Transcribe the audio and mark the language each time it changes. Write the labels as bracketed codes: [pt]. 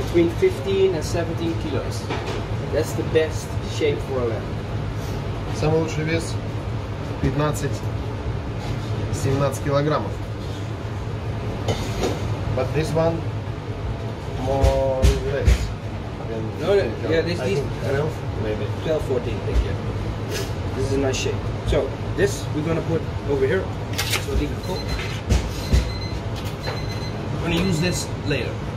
[en] between 15 and 17 kilos. That's the best shape for a lamb. [ru] Самый лучший вес 15-17 килограммов. [en] But this one more or less. No, this is 12, 14, thank you. This is a nice shape. So, this we're gonna put over here. So, we're gonna use this later.